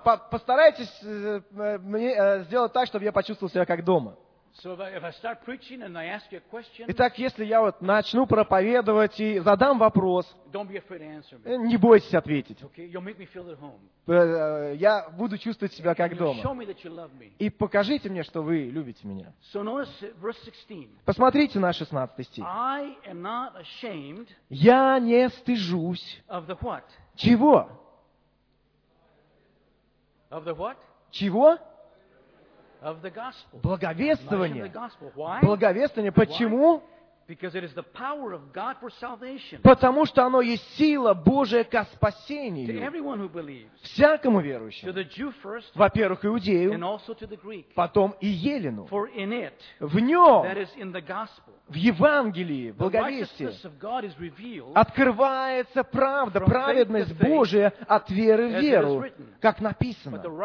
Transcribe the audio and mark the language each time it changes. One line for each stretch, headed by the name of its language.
Russian: Постарайтесь мне сделать так, чтобы я почувствовал себя как дома.
English: So if I start preaching and I ask you a question.
Russian: Итак, если я вот начну проповедовать и задам вопрос.
English: Don't be afraid to answer me.
Russian: Не бойтесь ответить.
English: Okay. You'll make me feel at home.
Russian: Я буду чувствовать себя как дома.
English: Show me that you love me.
Russian: И покажите мне, что вы любите меня.
English: So notice verse 16.
Russian: Посмотрите на 16 стих.
English: I am not ashamed.
Russian: Я не стыжусь.
English: Of the what?
Russian: Чего?
English: Of the what?
Russian: Чего?
English: Of the gospel.
Russian: Благовествование.
English: Why?
Russian: Благовествование. Почему?
English: Because it is the power of God for salvation.
Russian: Потому что оно есть сила Божия ко спасению.
English: To everyone who believes.
Russian: Всякому верующему.
English: To the Jew first.
Russian: Во-первых, иудею.
English: And also to the Greek.
Russian: Потом и Елену.
English: For in it.
Russian: В нем.
English: That is in the gospel.
Russian: В Евангелии, в благовестии, открывается правда, праведность Божия от веры в веру, как написано.